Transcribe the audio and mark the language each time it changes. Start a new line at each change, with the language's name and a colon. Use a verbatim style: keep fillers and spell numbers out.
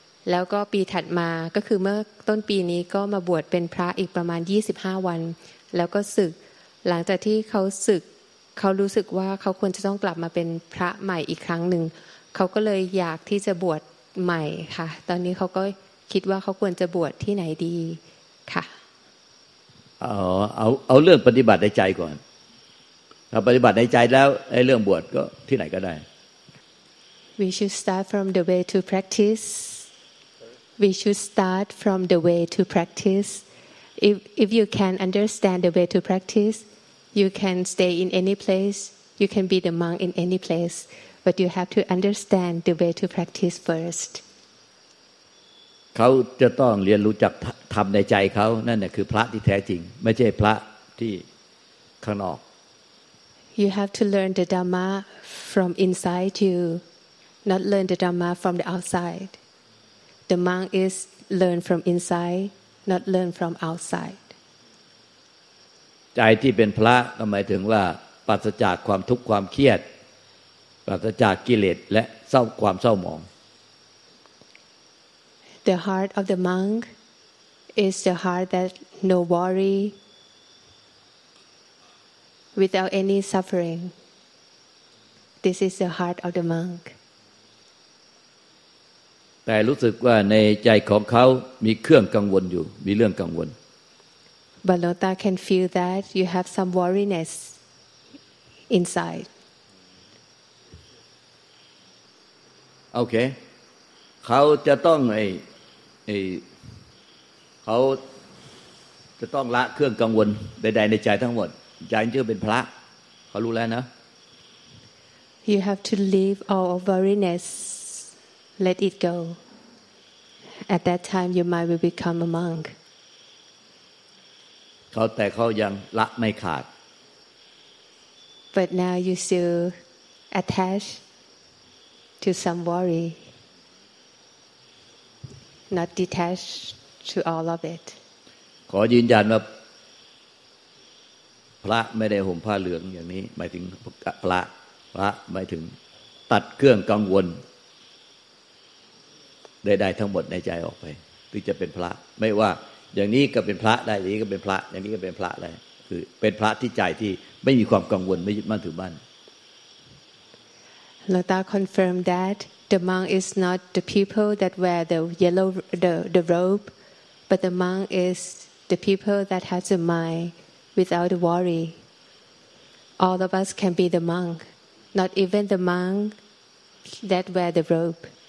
Thai: แล้วก็ปีถัดมาก็คือเมื่อต้นปีนี้ก็มาบวชเป็นพระอีกประมาณtwenty-fiveวันแล้วก็สึกหลังจากที่เขาสึกเขารู้สึกว่าเขาควรจะต้องกลับมาเป็นพระใหม่อีกครั้งหนึ่งเขาก็เลยอยากที่จะบวชใหม่ค่ะตอนนี้เขาก็คิดว่าเขาควรจะบวชที่ไหนดีค่ะ อ๋อเอาเอาเรื่องปฏิบัติในใจก่อนถ้าปฏิบัติในใจแล้วไอ้เรื่องบวชก็ที่ไหนก็ได้
English: We should start from the way to practice We should start from the way to practice If if you can understand the way to practice you can stay in any place you can be the monk in any place but you have to understand the way to practice first
Thai: เขาจะต้องเรียนรู้จักธรรมในใจเขานั่นน่ะคือพระที่แท้จริงไม่ใช่พระที่ข้างนอก
English: You have to learn the Dhamma from inside you, not learn the Dhamma from the outside. The monk is learn from inside, not learn from outside.
Thai: ใจที่เป็นพระก็หมายถึงว่าปราศจากความทุกข์ความเครียดปราศจากกิเลสและเศร้าความเศร้าหมอง
English: The heart of the monk is the heart that no worry. Without any suffering. This is the heart of the monk.
Thai: แต่รู้สึกว่าในใจของเขามีเครื่องกังวลอยู่มีเรื่องกังวล
English: But Lota can feel that you have some worriness inside. Okay.
Thai: เขาจะต้องไอ้ไอ้เขาจะต้องละเครื่องกังวลใดๆในใจทั้งหมดใจชื่อเป็นพระเขารู้แล้วนะ
English: You have to leave all worriness let it go at that time your mind will become a monk
Thai: เขาแต่เขายังละไม่ขาด
English: But now you still attached to some worry, not detached to all of it.
Thai: ขอยืนยันว่าพระไม่ได้ห่มผ้าเหลืองอย่างนี้หมายถึงพระพระหมายถึงตัดเครื่องกังวลได้ได้ทั้งหมดในใจออกไปถึงจะเป็นพระไม่ว่าอย่างนี้ก็เป็นพระได้อย่างนี้ก็เป็นพระอย่างนี้ก็เป็นพระได้คือเป็นพระที่ใจที่ไม่มีความกังวลไม่ยึดมั่นถือมั่น
English: Lata confirmed that the monk is not the people that wear the yellow the the robe but the monk is the people that has a mind without worry. All of us can be the monk, not even the monk that wear the robe.